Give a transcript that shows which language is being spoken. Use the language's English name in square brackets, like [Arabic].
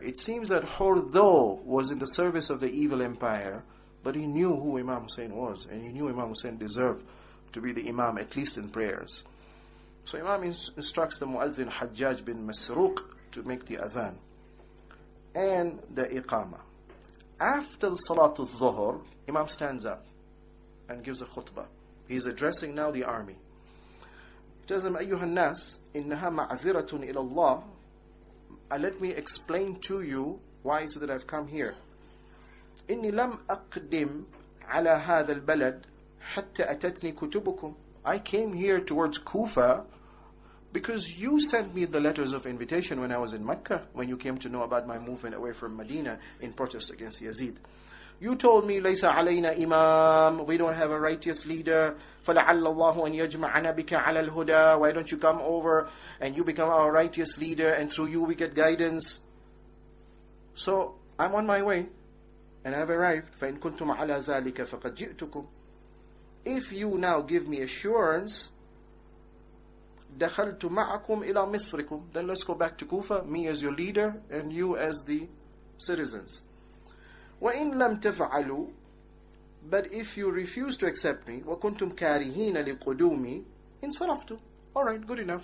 [English] It seems that Hur, though, was in the service of the evil empire, but he knew who Imam Hussein was, and he knew Imam Hussein deserved to be the Imam, at least in prayers. So Imam instructs the Muazzin Hajjaj bin Masruq to make the Adhan and the Iqama. After the Salat al-Zuhr, Imam stands up and gives a khutbah. He is addressing now the army. Tells him, [Arabic] أيها الناس, إنها معذرة إلى الله. [English] Let me explain to you why is it that I've come here. [Arabic] إني لم أقدم على هذا البلد حتى أتتني كتبكم. [English] I came here towards Kufa because you sent me the letters of invitation when I was in Mecca, when you came to know about my movement away from Medina in protest against Yazid. You told me, [Arabic] ليس علينا إمام, [English] we don't have a righteous leader. [Arabic] فلعل الله أن يجمعنا بك على الهدى. [English] Why don't you come over and you become our righteous leader, and through you we get guidance. So I'm on my way, and I've arrived. [Arabic] فإن كنتم على ذلك فقد جئتكم. [English] If you now give me assurance, [Arabic] دخلت معكم إلى مصركم. [English] Then let's go back to Kufa, me as your leader and you as the citizens. [Arabic] وإن لم تفعلوا, [English] but if you refuse to accept me, [Arabic] وكنتم كارهين لقدومي, انصرفت. [English] Alright, good enough.